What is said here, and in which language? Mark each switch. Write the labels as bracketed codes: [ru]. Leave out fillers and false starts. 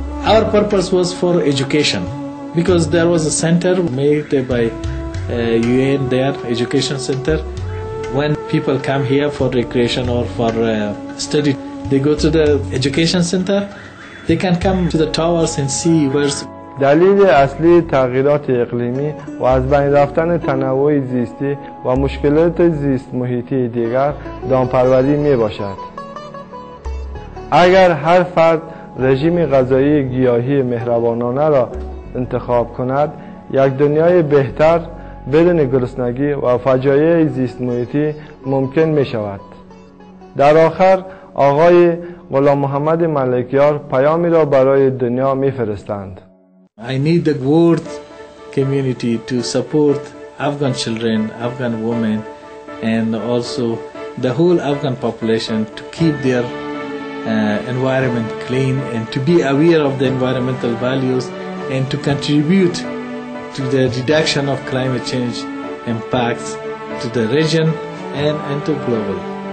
[en] Our purpose was for education, because there was a center made by UN there, education center. When people come here for recreation or for study, they go to the education center. They can come to the towers and see birds. [fa] دلیل اصلی تغییرات اقلیمی و از بین رفتن تنوع زیستی و مشکلات زیست محیطی دیگر دامپروری می باشد. اگر هر فرد رژیم غذایی گیاهی مهربانانه را انتخاب کند، یک دنیای بهتر بدون گرسنگی و فجایع زیست محیطی ممکن می شود. در آخر آقای غلام محمد ملکیار پیامی را برای دنیا می فرستند. [en] I need the world community to support Afghan children, Afghan women, and also the whole Afghan population to keep their environment clean and to be aware of the environmental values and to contribute to the reduction of climate change impacts to the region and to global.